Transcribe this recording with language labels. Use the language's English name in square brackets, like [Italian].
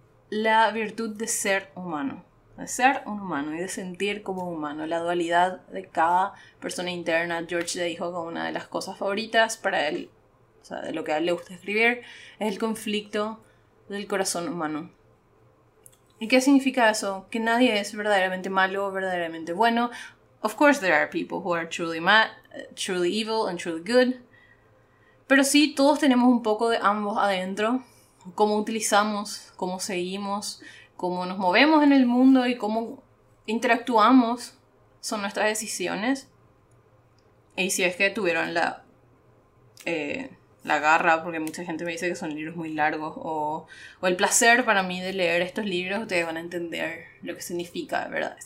[Spanish] La virtud de ser humano. De ser un humano y de sentir como humano. La dualidad de cada persona interna. George le dijo como una de las cosas favoritas para él, o sea, de lo que a él le gusta escribir, es el conflicto del corazón humano. ¿Y qué significa eso? Que nadie es verdaderamente malo o verdaderamente bueno. [English] Of course there are people who are truly truly evil and truly good. [Spanish] Pero sí, todos tenemos un poco de ambos adentro. Cómo utilizamos, cómo seguimos, cómo nos movemos en el mundo y cómo interactuamos son nuestras decisiones. Y si es que tuvieron la garra, porque mucha gente me dice que son libros muy largos, o el placer para mí de leer estos libros, ustedes van a entender lo que significa, ¿verdad?